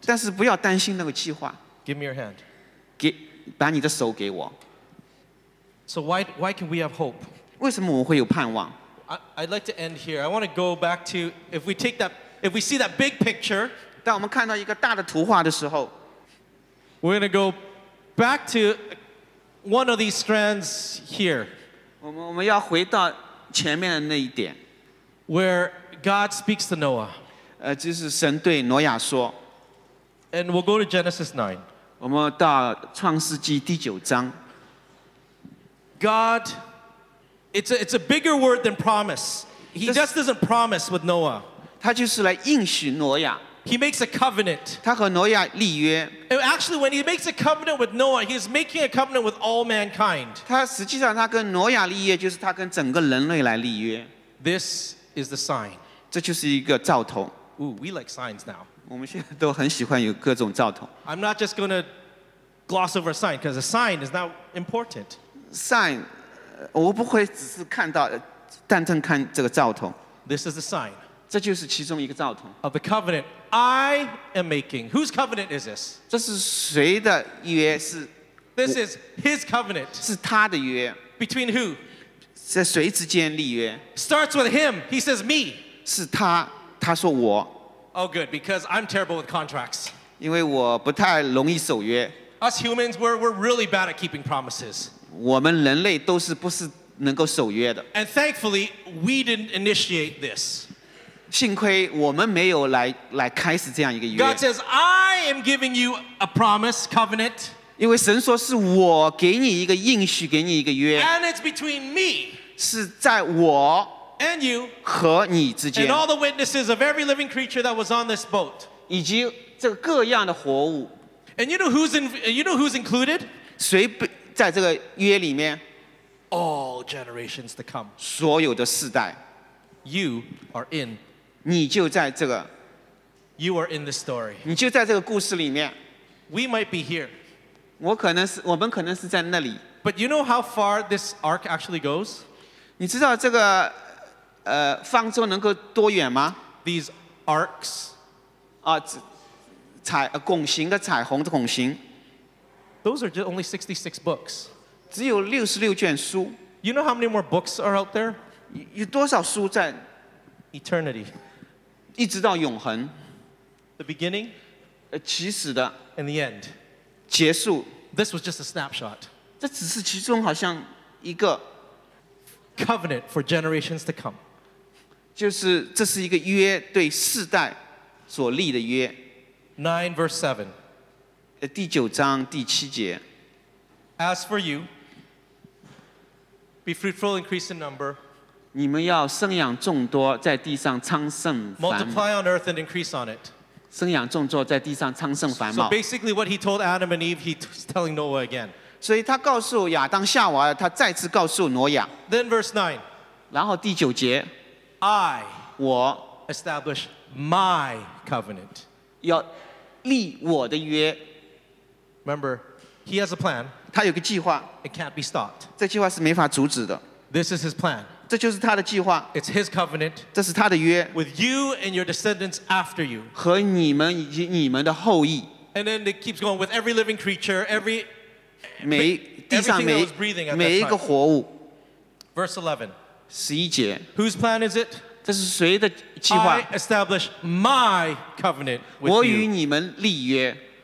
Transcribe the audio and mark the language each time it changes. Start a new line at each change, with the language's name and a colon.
Chinese: 但是不要担心那个计划。
English: Give me your hand.
Chinese: 把你的手给我。
English: So why can we have hope?
Chinese: 为什么我们会有盼望？
English: I'd like to end here. I want to go back to if we see that big picture.
Chinese: 当我们看到一个大的图画的时候。
English: We're going to go back to one of these strands here.
Chinese: 我们要回到前面的那一点。
English: Where God speaks to Noah.
Chinese: 就是神对挪亚说。
English: And we'll go to Genesis 9.
Chinese: 我们到创世纪第九章。
English: God, it's a bigger word than promise. He just doesn't promise with Noah.
Chinese: 他就是来应许挪亚。
English: He makes a covenant.
Chinese: 他和挪亚立约。
English: And actually, when he makes a covenant with Noah, he's making a covenant with all mankind.
Chinese: 他实际上他跟挪亚立约，就是他跟整个人类来立约。
English: This is the sign.
Chinese: 这就是一个兆头。
English: Ooh, we like signs now.
Chinese: 我们现在都很喜欢有各种兆头。
English: I'm not just going to gloss over a sign because a sign is not important.
Chinese: Sign, 我不会只是看到，单单看这个兆头。
English: This is the sign.
Chinese: 这就是其中一个兆头。
English: Of the covenant I am making. Whose covenant is this?
Chinese: 这是谁的约？是
English: This is his covenant.
Chinese: 是他的约。
English: Between who?
Chinese: 在谁之间立约？
English: Starts with him. He says me.
Chinese: 是他，他说我。
English: Oh good, because I'm terrible with contracts.
Chinese: 因为我不太容易守约。
English: Us humans, we're really bad at keeping promises.
Chinese: 我们人类都是不是能够守约的。
English: And thankfully, we didn't initiate this.
Chinese: 幸亏我们没有 来开始这样一个约。
English: God says, I am giving you a promise, covenant.
Chinese: 因为神说是我给你一个应许，给你一个约。
English: And it's between me.
Chinese: 是在我
English: and you
Chinese: 和你之间。
English: And all the witnesses of every living creature that was on this boat.
Chinese: 以及这个各样的活物。
English: And you know who's included?
Chinese: 谁在这个约里面？
English: All generations to come.
Chinese: 所有的世代。
English: You are in.
Chinese: 你就在这个。
English: You are in the story.
Chinese: 你就在这个故事里面。
English: We might be here.
Chinese: 我们可能是在那里。
English: But you know how far this arc actually goes?
Chinese: 你知道这个方舟能够多远吗？
English: These arcs.
Chinese: 拱形的彩虹的拱形。
English: Those are just only 66 books.
Chinese: 只有66卷书。
English: You know how many more books are out there?
Chinese: 有多少书在
English: eternity
Chinese: 一直到永恒
English: the beginning
Chinese: 起始的
English: and the end
Chinese: 结束
English: this was just a snapshot
Chinese: 这只是其中好像一个
English: covenant for generations to come
Chinese: 就是这是一个约对世代所立的约。
English: 9 verse 7，
Chinese: 第九章第七节。
English: As for you, be fruitful, increase in number.
Chinese: 你们要生养众多，在地上昌盛繁茂。
English: Multiply on earth and increase on it.
Chinese: 生养众多，在地上昌盛繁茂。
English: So basically, what he told Adam and Eve, he's telling Noah again.
Chinese: 所以他告诉亚当夏娃，他再次告诉挪亚。
English: Then verse 9.
Chinese: 然后第九节。
English: I
Chinese: 我
English: establish my covenant.
Chinese: 要立我的约。
English: Remember, he has a plan.
Chinese: 他有个计划。
English: It can't be stopped.
Chinese: 这计划是没法阻止的。
English: This is his plan.
Chinese: 这就是他的计划。
English: It's his covenant.
Chinese: 这是他的约。
English: With you and your descendants after you.
Chinese: 和你们以及你们的后裔。
English: And then it keeps going with every living creature, every
Chinese: 每地上每
English: everything that was breathing at that
Chinese: time. 每一个活物。
English: Verse 11.
Chinese: 十一节。
English: Whose plan is it?
Chinese: 这是谁的计划
English: ？I establish my covenant with you.
Chinese: 我与你们立约。